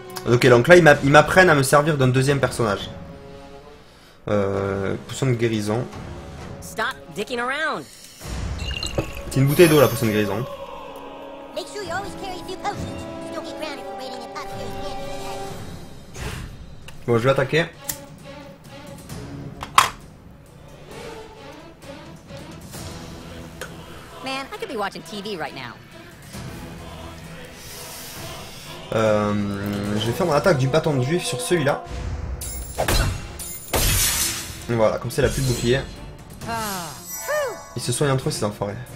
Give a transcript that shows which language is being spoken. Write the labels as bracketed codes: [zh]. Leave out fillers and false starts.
[fr] Ok, donc là, ils m'apprennent à me servir d'un deuxième personnage. Potion de guérison. [en] Stop dicking around. [fr] C'est une bouteille d'eau, la potion de guérison. [en] Make sure you always carry a few potions. Don't get grounded for raiding a pup here in Canada, okay? [fr] Bon, je vais attaquer. [en] Man, I could be watching TV right now. [fr] Je vais faire mon attaque du bâton de juif sur celui-là. Voilà, comme ça il a plus de bouclier. Ils se soignent entre eux, ces enfoirés.